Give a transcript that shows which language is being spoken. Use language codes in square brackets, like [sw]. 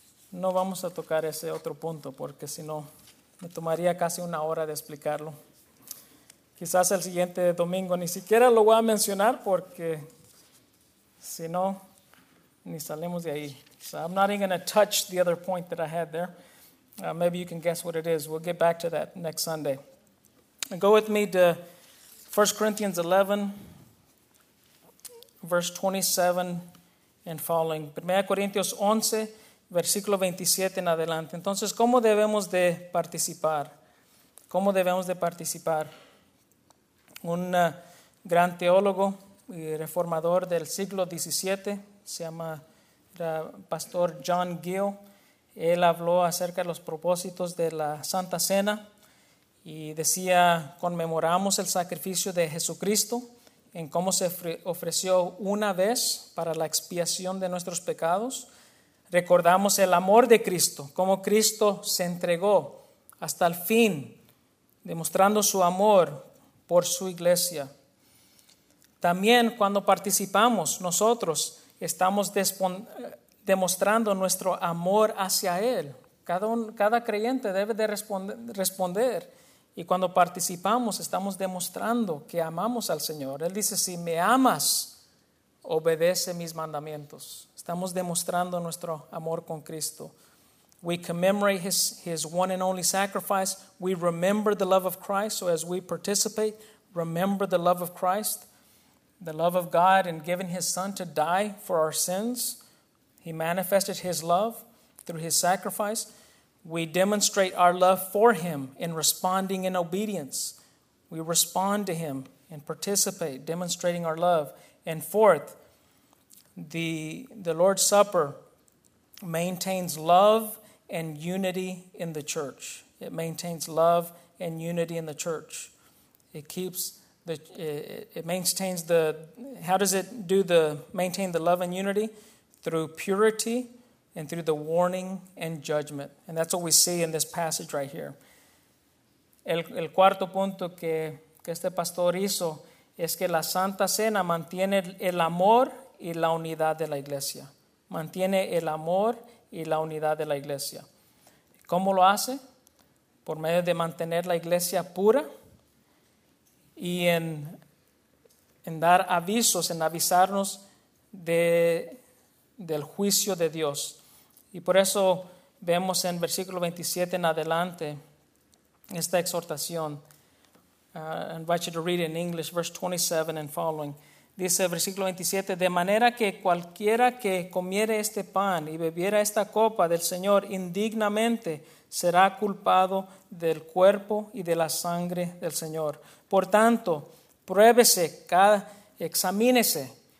[es] No vamos a tocar ese otro punto porque si no me tomaría casi una hora de explicarlo. Quizás el siguiente domingo ni siquiera lo voy a mencionar porque si no ni salimos de ahí. [en] So I'm not even going to touch the other point that I had there. Maybe you can guess what it is. We'll get back to that next Sunday. And go with me to 1 Corinthians 11, verse 27 and following. 1 Corinthians 11, [es] versículo 27 en adelante. Entonces, ¿cómo debemos de participar? ¿Cómo debemos de participar? Un gran teólogo y reformador del siglo 17, se llama Pastor John Gill. Él habló acerca de los propósitos de la Santa Cena y decía, conmemoramos el sacrificio de Jesucristo en cómo se ofreció una vez para la expiación de nuestros pecados. Recordamos el amor de Cristo, cómo Cristo se entregó hasta el fin, demostrando su amor por su iglesia. También cuando participamos, nosotros estamos demostrando nuestro amor hacia Él. Cada creyente debe de responder. Y cuando participamos, estamos demostrando que amamos al Señor. Él dice, si me amas, obedece mis mandamientos. Estamos demostrando nuestro amor con Cristo. [en] We commemorate his one and only sacrifice. We remember the love of Christ. So as we participate, remember the love of Christ, the love of God in giving his son to die for our sins. He manifested his love through his sacrifice. We demonstrate our love for him in responding in obedience. We respond to him and participate, demonstrating our love. And fourth, the Lord's Supper maintains love and unity in the church. It maintains love and unity in the church. It keeps the, it maintains the, how does it do the, maintain the love and unity? Through purity and through the warning and judgment. And that's what we see in this passage right here. [es] El cuarto punto que este pastor hizo es que la Santa Cena mantiene el amor y la unidad de la iglesia. Mantiene el amor y la unidad de la iglesia. ¿Cómo lo hace? Por medio de mantener la iglesia pura y en dar avisos, en avisarnos del juicio de Dios. Y por eso vemos en versículo 27 en adelante esta exhortación. [en] I invite you to read in English, verse 27 and following. [es] Dice el versículo 27, de manera que cualquiera que comiere este pan y bebiera esta copa del Señor indignamente será culpado del cuerpo y de la sangre del Señor. Por tanto, pruébese, examínese.